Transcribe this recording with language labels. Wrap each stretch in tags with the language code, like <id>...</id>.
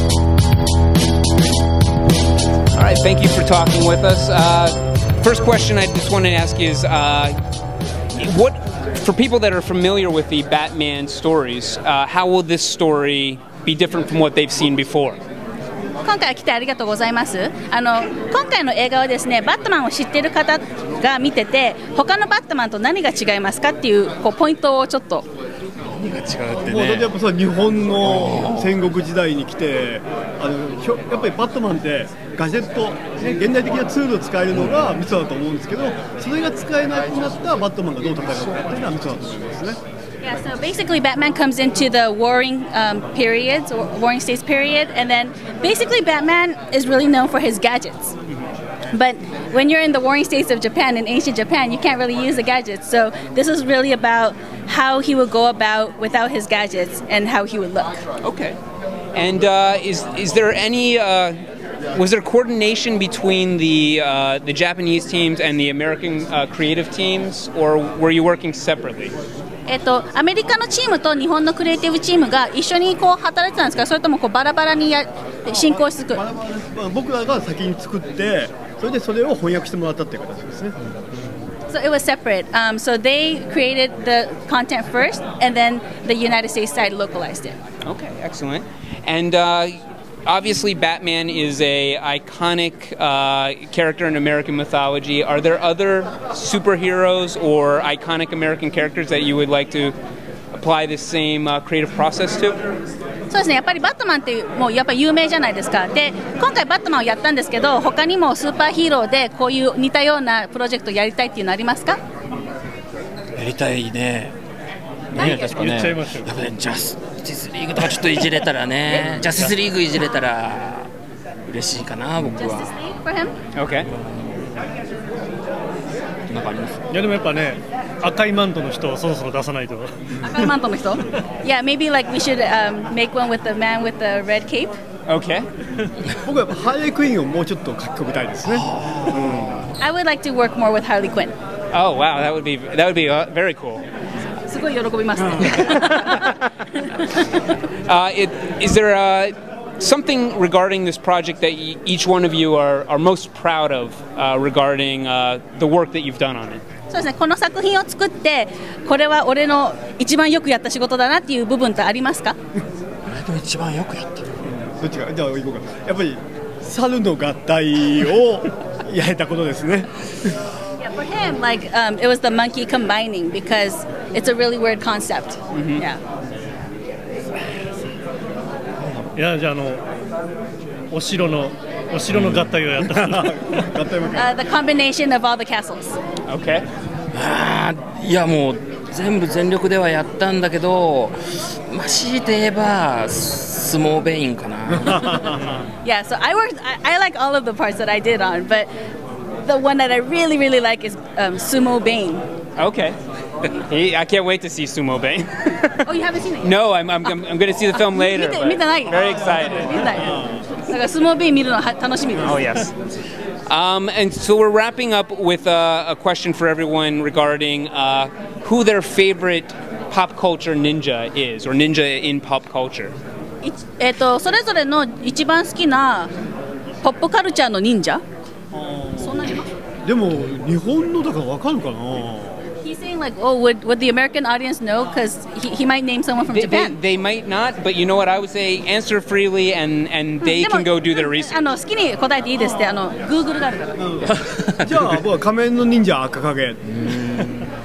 <en>All right, thank you for talking with us. First question I just wanted to ask you is, what for people that are familiar with the Batman stories, how will this story be different from what they've seen before?</en> <ja>今回来てありがとうございます。今回の映画はですね、バットマンを知っている方が見てて、他のバットマンと何が違いますかっていう、こうポイントをちょっと。何が違うってね。もうやっぱさ、日本の戦国時代に来て、やっぱりバットマンってガジェット、現代的なツールを使えるのがミソだと思うんですけど、それが使えなくなったバットマンがどう戦えるのかっていうのはミソだと思いますね。</ja> <en>Yeah, so basically Batman comes into the warring periods, or warring states period, and then basically Batman is really known for his gadgets. But when you're in the warring states of Japan, in ancient Japan, you can't really use the gadgets. So this is really about how he would go about without his gadgets and how he would look. Okay. And is there any... was there coordination between the Japanese teams and the American creative teams, or were you working separately?</en> <ja>アメリカのチームと日本のクリエイティブチームが一緒にこう働いてたんですか、それともこうバラバラに進行していく。僕らが先に作って、それでそれを翻訳してもらったっていう形ですね。</ja> <en>So it was separate. So they created the content first, and then the United States side localized it. Okay, excellent. And obviously, Batman is a iconic character in American mythology. Are there other superheroes or iconic American characters that you would like to apply this same creative process to?</en> <ja>そうですね。やっぱりバットマンってもうやっぱ有名じゃないですか。で、今回バットマンをやったんですけど、他にもスーパーヒーローでこういう似たようなプロジェクトやりたいっていうのありますか？やりたいね。何やですかね。言っちゃいますよ。ジャス。ジャスリーグとかちょっといじれたらね、ジャスティスリーグいじれたら嬉しいかな、僕は。</ja> <en>OK。</en> <ja>なんかあります。いやでもやっぱね、赤いマントの人をそろそろ出さないと。赤いマントの人？</ja> <en>Yeah, maybe like we should make one with the man with the red cape. OK。</en> <ja>僕はやっぱハーレークイーンをもうちょっと書き込みたいですね。</ja> <en>I would like to work more with Harley Quinn. Oh wow, that would be very cool. is there something regarding this project that each one of you are most proud of regarding the work that you've done on it?</en> <ja>そうですね。この作品を作って、これは俺の一番よくやった仕事だなっていう部分ってありますか？俺の一番よくやった。どっちか。じゃあ行こうか。やっぱり猿の合体をやれたことですね。</ja> <en>For him, like, it was the monkey combining because it's a really weird concept. Mm-hmm. Yeah.</en> <ja>Yeah, じゃあお城の合体をやった。合体も。</ja> <en>The combination of all the castles. Okay.</en> <ja>いやもう全部全力ではやったんだけど、まあ、強いて言えばスモーベインかな。</ja> <en>Yeah, so I worked. I like all of the parts that I did on, but. The one that I really, really like is Sumo Bane. Okay. I can't wait to see Sumo Bane. Oh, you haven't seen it yet? No, I'm going to see the film later. Very excited.</en> <ja>Sumo Bane 見るの楽しみです。</ja> <en>Oh, yes. And so we're wrapping up with a question for everyone regarding who their favorite pop culture ninja is, or ninja in pop culture.</en> <ja>それぞれの一番好きなポップカルチャーの忍者。でも日本のだからわかるかな。</ja> <en>He's saying like, oh, would the American audience know? Because he might name someone from Japan. They might not, but you know what? I would say answer freely and they can go do their research.</en> <ja>好きに答えていいですって。 Google があるから。じゃあ僕は仮面の忍者赤影。</ja>